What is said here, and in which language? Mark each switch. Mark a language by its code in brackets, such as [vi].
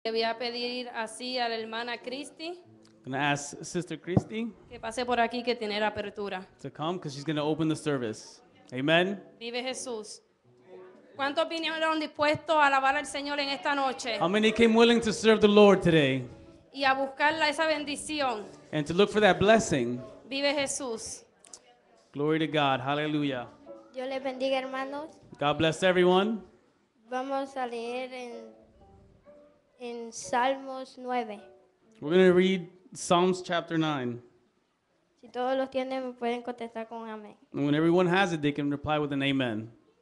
[es] Le voy a pedir así a la hermana Christy. [en] I'm going to ask Sister Christy [es] que pase por aquí, que tiene la apertura. [en] To come because she's going to open the service. Amen. [es] Vive Jesús. ¿Cuántos vinieron dispuestos a alabar al Señor en esta noche? [en] How many came willing to serve the Lord today? [es] Y a buscar esa bendición. [en] And to look for that blessing. [es] Vive Jesús. [en] Glory to God. Hallelujah. [es] Dios les bendiga, hermanos. [en] God bless everyone. [es] Vamos a leer en Salmos 9. [en] We're going to read Psalms chapter 9. [es] Si todos los tienen, me pueden contestar con amén. [en] And when everyone has it, they can reply with an amen.